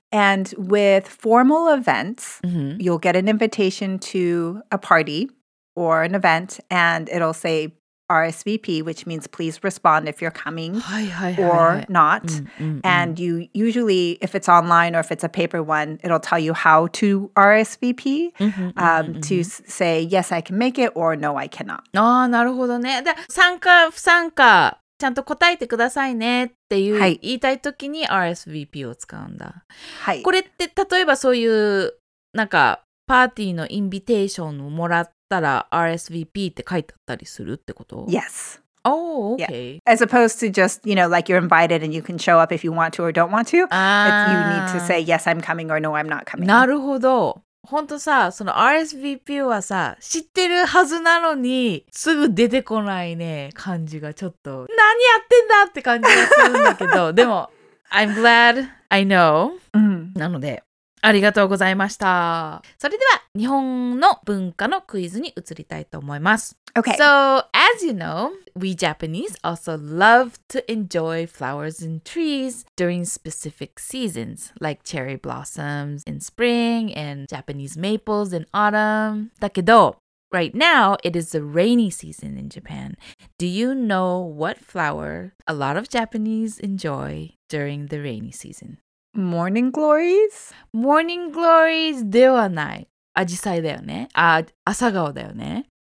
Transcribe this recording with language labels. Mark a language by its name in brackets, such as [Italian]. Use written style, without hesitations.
[English] And with formal events,、mm-hmm. you'll get an invitation to a party or an event, and it'll say RSVP, which means please respond if you're coming [Japanese] はいはいはい、はい、 [English] or not. Mm-hmm. And you usually, if it's online or if it's a paper one, it'll tell you how to RSVP、 mm-hmm. To say, yes, I can make it or no, I cannot. [Japanese] ああ、なるほどね。で、参加、不参加、ちゃんと答えてくださいねっていう、はい、言いたいときに RSVP を使うんだ。はい。これって例えばそういうなんかパーティーのインビテーションをもらってたら RSVP って書いてあったりするってこと? [English] Yes. Oh, okay. Yeah. As opposed to just, you know, like you're invited and you can show up if you want to or don't want to. You need to say, yes, I'm coming or no, I'm not coming. [Japanese] なるほど。本当さ、その RSVP はさ、知ってるはずなのにすぐ出てこないね、感じがちょっと。何やってんだって感じがするんだけど。 [English] でも、I'm glad I know.、 Mm. [Japanese] なので。ありがとうございました。それでは日本の文化のクイズに移りたいと思います。 [English] Okay. So, as you know, we Japanese also love to enjoy flowers and trees during specific seasons, like cherry blossoms in spring and Japanese maples in autumn. だけど、right now, it is the rainy season in Japan. Do you know what flower a lot of Japanese enjoy during the rainy season? Morning glories? [Japanese] Morning glories ではない。アジサイだよね。あ、朝顔だよね。